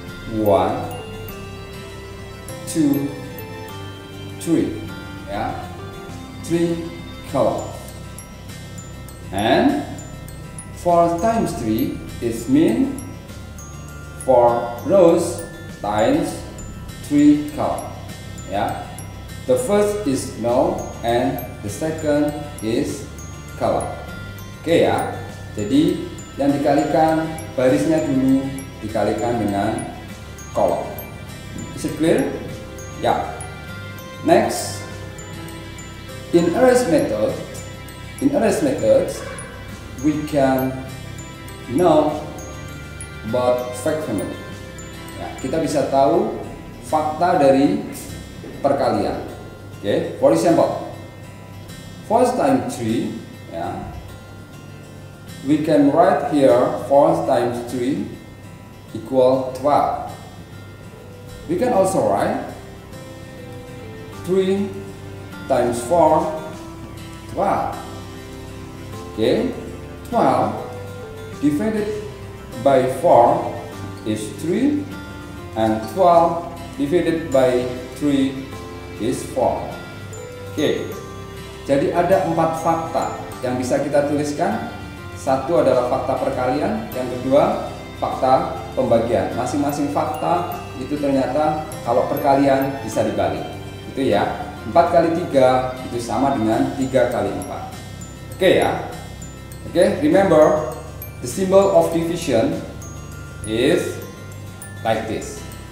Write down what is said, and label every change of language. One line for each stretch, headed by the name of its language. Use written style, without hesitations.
English: 1, 2, 3, yeah, 3 columns, and 4 times 3 is mean 4 rows times 3 columns, yeah, the first is no and the second is column, okay ya, yeah?
Indonesian: Jadi yang dikalikan barisnya dulu dikalikan dengan column.
English: Is it clear? Yeah. Next, in arrays method, we can know about fact family. Yeah.
Indonesian: Kita bisa tahu fakta dari perkalian.
English: Okay. For example, 4 times 3. Yeah. We can write here 4 times 3 equal 12. We can also write 3 times 4, 12. Okay, 12 divided by 4 is 3, and 12 divided by 3 is 4.
Indonesian: Okay, jadi ada 4 fakta yang bisa kita tuliskan. Satu adalah fakta perkalian, yang kedua fakta pembagian. Masing-masing fakta itu ternyata kalau perkalian bisa dibalik. Itu ya, 4 kali 3 itu sama dengan 3 kali 4. Oke ya.
English: Oke, remember, the symbol of division is like this.